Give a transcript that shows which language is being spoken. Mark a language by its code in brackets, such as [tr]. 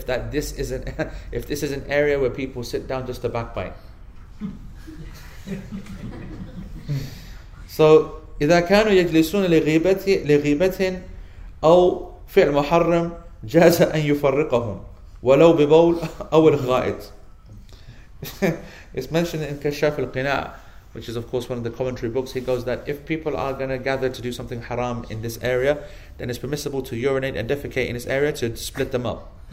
[en] The exception is if this is an area where people sit down just to backbite. So, [ar] إِذَا كَانُوا يَجْلِسُونَ لِغِيبَةٍ أَوْ فِعْلْ مُحَرَّمْ جاز أن يفرقهم ولو ببول أو الغائط. [en] It's mentioned in Kashaf al-Qina, which is of course one of the commentary books. He goes that if people are going to gather to do something haram in this area, then it's permissible to urinate and defecate in this area to split them up.